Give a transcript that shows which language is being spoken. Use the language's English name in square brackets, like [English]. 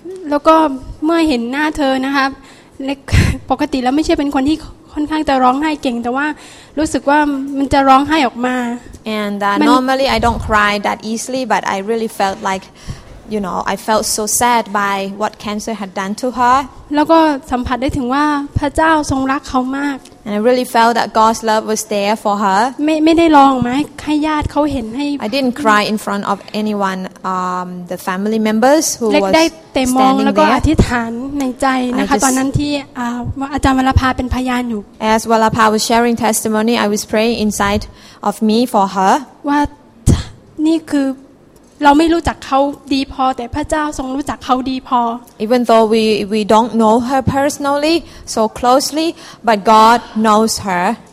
[Thai] แล้วก็เมื่อเห็นหน้าเธอนะครับเล็กปกติแล้วไม่ใช่เป็นคนที่ค่อนข้างจะร้องไห้เก่งแต่ว่ารู้สึกว่ามันจะร้องไห้ออกมา [English] And normally I don't cry that easily but I really felt likeYou know, I felt so sad by what cancer had done to her. [Thai] แล้วก็สัมผัสได้ถึงว่าพระเจ้าทรงรักเขามาก [English] And I really felt that God's love was there for her. [Thai] ไม่ได้ร้องไหมให้ญาติเขาเห็นให้ [English] I didn't cry in front of anyone, the family members who was standing there. [Thai] เล็กได้แต่มองแล้วก็อธิษฐานในใจนะคะตอนนั้นที่อาจารย์วรภาเป็นพยานอยู่ [English] As Varapha was sharing testimony, I was praying inside of me for her. [Thai] ว่านี่คือเราไม่รู้จักเขาดีพอแต่พระเจ้าทรงรู้จักเขาดีพอ [English] Even though we don't know her personally so closely but God knows her